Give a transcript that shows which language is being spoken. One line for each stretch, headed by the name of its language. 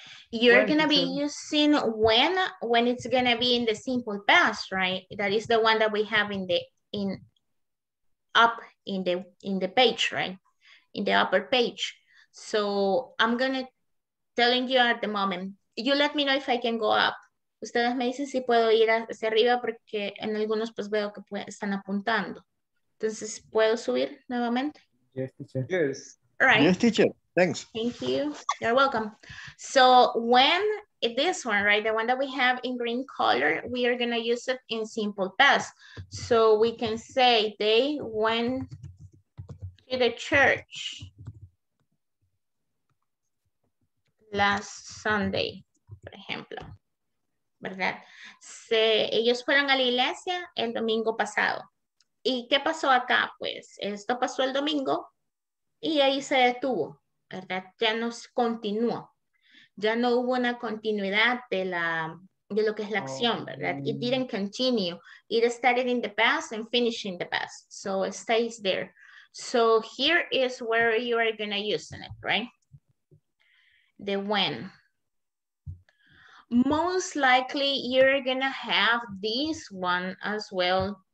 English: You're when gonna be using when it's gonna be in the simple past, right? That is the one that we have in the up in the page, right? In the upper page. So I'm gonna telling you at the moment. You let me know if I can go up.
Spanish: Ustedes me dicen si puedo ir hacia arriba porque en algunos pues veo que están apuntando. Entonces, ¿puedo subir nuevamente?
English: Yes, teacher. Yes. All right. Yes, teacher. Thanks. Thank you. You're welcome. So when this one, right, the one that we have in green color, we are going to use it in simple past. So we can say they went to the church last Sunday, for example.
Spanish: ¿Verdad? Se, ellos fueron a la iglesia el domingo pasado. ¿Y qué pasó acá? Pues esto pasó el domingo y ahí se detuvo, ¿verdad? Ya no continuó. Ya no hubo una continuidad de la de lo que es la acción, ¿verdad?
English: It didn't continue. It started in the past and finished in the past. So it stays there. So here is where you are going to use it, right? The when. Most likely you're going to have this one as well.